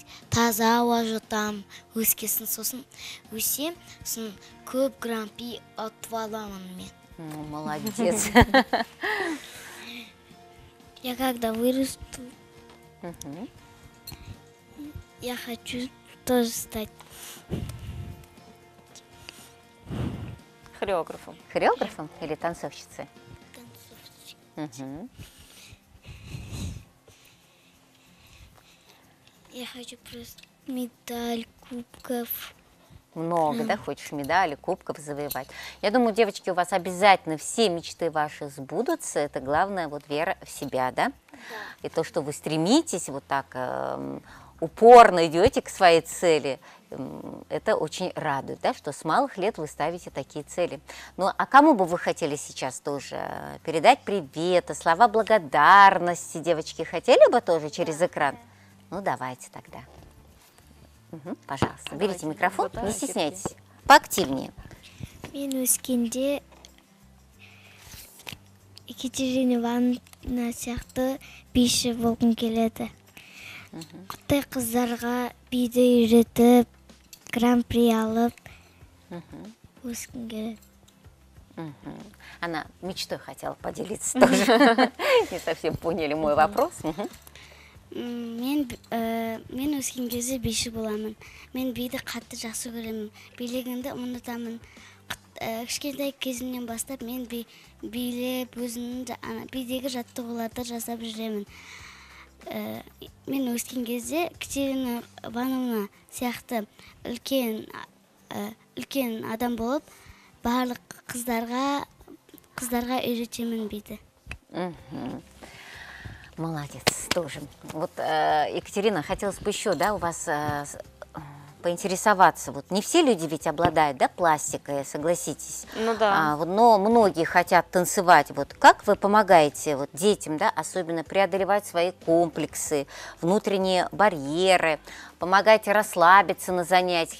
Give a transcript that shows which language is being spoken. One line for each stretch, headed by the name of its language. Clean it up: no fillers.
Kazakh: Таза ауа жұтам, өскесін сосын өсем, сосын көп гран-пи ұтып аламын мен.
Russian: Молодец. Я когда вырасту, я хочу тоже стать хореографом. Хореографом или танцовщицей? Танцовщицей. Я хочу просто медаль, кубков. Много, да, хочешь медали, кубков завоевать. Я думаю, девочки, у вас обязательно все мечты ваши сбудутся. Это главное, вот вера в себя, да? Да. И то, что вы стремитесь вот так упорно идете к своей цели, это очень радует, да, что с малых лет вы ставите такие цели. Ну, а кому бы вы хотели сейчас тоже передать привет, слова благодарности, девочки, хотели бы тоже через экран? Ну, давайте тогда. Угу, пожалуйста, давайте, берите микрофон, не стесняйтесь, поактивнее.
Kazakh: Минус кинде Екатерина Ивановна сияқты биші болғым келеді. Құттай қыздарға биді үйретіп, гран-при алып, өскім келеді.
Russian: Она мечтой хотела поделиться тоже. Не совсем поняли мой вопрос.
Kazakh: Мен өскен кезде биші боламын. Мен биді қатты жақсы көремін. Билегенді ұнатамын. Кішкентай кезімнен бастап мен билеп өзімнің бидегі жаттығуларды жасап жүремін. Мен өскен кезде Екатерина Ивановна сияқты үлкен адам болып, барлық қыздарға үйретемін биді.
Russian: Молодец, тоже. Вот, Екатерина, хотелось бы еще, да, у вас поинтересоваться. Вот не все люди ведь обладают, да, пластикой, согласитесь. Ну да. Но многие хотят танцевать. Вот как вы помогаете вот детям, да, особенно преодолевать свои комплексы, внутренние барьеры, помогаете расслабиться на занятиях?